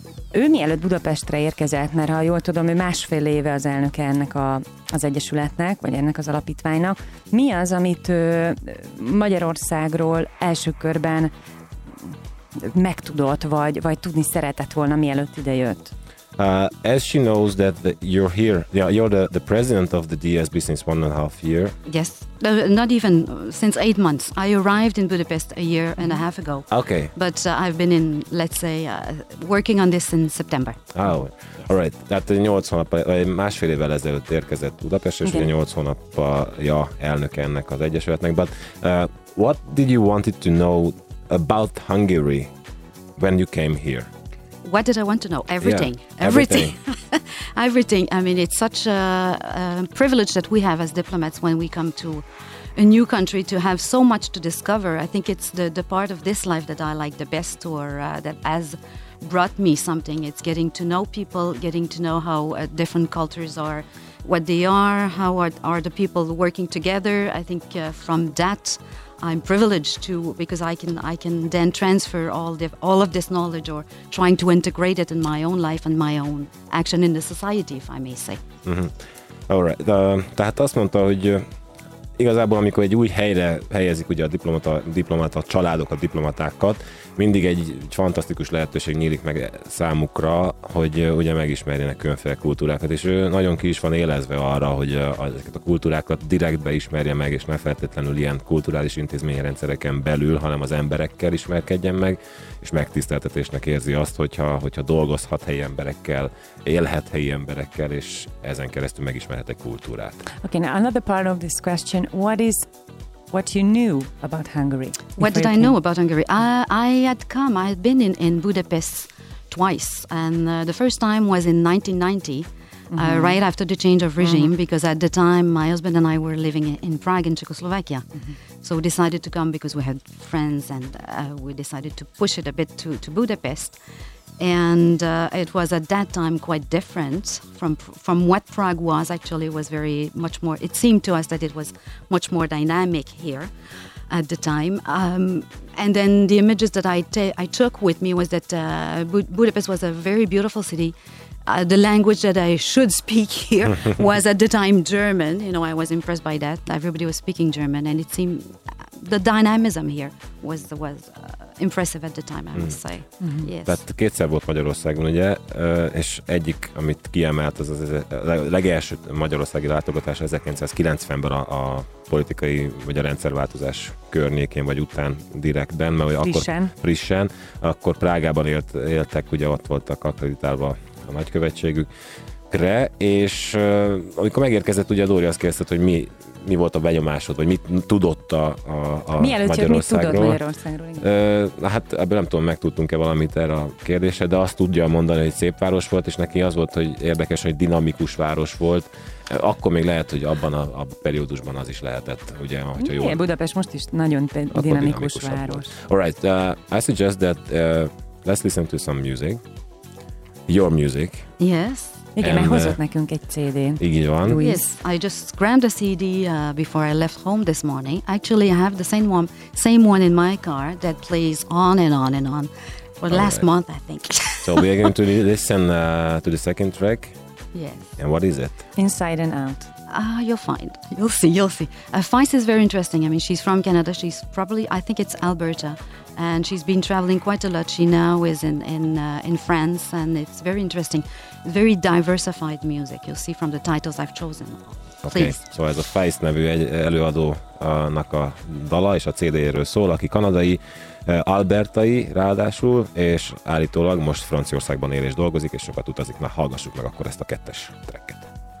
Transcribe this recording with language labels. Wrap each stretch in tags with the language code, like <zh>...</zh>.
<hu>Ő mielőtt Budapestre érkezett, mert ha jól tudom, ő másfél éve az elnöke ennek az egyesületnek, vagy ennek az alapítványnak. Mi az, amit Magyarországról első körben megtudott, vagy tudni szeretett volna, mielőtt idejött?</hu> <en>As she knows that you're here, yeah, you're the president of the DSB since 1.5 years. Yes, not even since 8 months. I arrived in Budapest 1.5 years ago. Okay. But I've been in, let's say, working on this in September. Oh, all right.</en> <hu>Tehát 8 hónap, másfél évvel ezelőtt érkezett Budapest, és ugye 8 hónapja elnök ennek az egyesületnek.</hu> <en>But what did you wanted to know about Hungary when you came here? What did I want to know? Everything. Yeah, everything. Everything. I mean, it's such a privilege that we have as diplomats when we come to a new country to have so much to discover. I think it's the part of this life that I like the best, or that has brought me something. It's getting to know people, getting to know how different cultures are, what they are, how are the people working together. I think from that I'm privileged to, because I can then transfer all of this knowledge, or trying to integrate it in my own life and my own action in the society, if I may say. Mm-hmm. All right.</en> <hu>Tehát azt mondta, hogy igazából amikor egy új helyre helyezik ugye a diplomata családok, a diplomatákat, mindig egy fantasztikus lehetőség nyílik meg számukra, hogy ugye megismerjenek különféle kultúrákat, és ő nagyon ki is van élezve arra, hogy ezeket a kultúrákat direktbe ismerje meg, és ne feltétlenül ilyen kulturális intézményrendszereken belül, hanem az emberekkel ismerkedjen meg, és megtiszteltetésnek érzi azt, hogyha dolgozhat helyi emberekkel, élhet helyi emberekkel, és ezen keresztül megismerhet egy kultúrát.</hu> <en>Okay, now another part of this question, what you knew about Hungary? What did I know about Hungary? I had been in Budapest twice, and the first time was in 1990, mm-hmm. Right after the change of regime, mm-hmm. because at the time my husband and I were living in Prague in Czechoslovakia. Mm-hmm. So we decided to come because we had friends, and we decided to push it a bit to Budapest. And it was at that time quite different from what Prague was. Actually, it was very much more, it seemed to us that it was much more dynamic here at the time. And then the images that I took with me was that Budapest was a very beautiful city. The language that I should speak here was at the time German. You know, I was impressed by that. Everybody was speaking German, and it seemed the dynamism here was impressive at the time, I must say. Mm-hmm. Yes.</en> <hu>Tehát kétszer volt Magyarországon, ugye, és egyik, amit kiemelt, az a legelső magyarországi látogatás 1990-ben a politikai, vagy a rendszerváltozás környékén, vagy után direktben, mert frissen, akkor Prágában éltek, ugye ott voltak akkreditálva a nagykövetségükre, és amikor megérkezett, ugye Dóri azt kérdezett, hogy mi volt a benyomásod, vagy mit tudott a Magyarországról? Hát ebből nem tudom, megtudtunk-e valamit erre a kérdésre, de azt tudja mondani, hogy szép város volt, és neki az volt, hogy érdekes, hogy dinamikus város volt. Akkor még lehet, hogy abban a periódusban az is lehetett, ugye, hogyha jól... Igen, Budapest most is nagyon dinamikus város.</hu> <en>All right, I suggest that let's listen to some music. Your music. Yes.</en> <hu>Igen, mert hozott nekünk egy CD. Igen, van.</hu> <en>Yes, I just grabbed a CD before I left home this morning. Actually, I have the same one in my car that plays on and on and on for the last month, I think. So we are going to listen to the second track. Yes. And what is it? Inside and Out. You'll find. You'll see. You'll see. Faisa is very interesting. I mean, she's from Canada. She's probably, I think it's Alberta, and she's been traveling quite a lot. She now is in France, and it's very interesting. Very diversified music. You'll see from the titles I've chosen. Please. Okay. So</en> <hu>ez a Faisa nevű egy előadónak a dala és a CD-jéről szól, aki kanadai, albertai ráadásul, és állítólag most Franciaországban él és dolgozik, és sokat utazik. Na, hallgassuk meg akkor ezt a kettes tracket.</hu>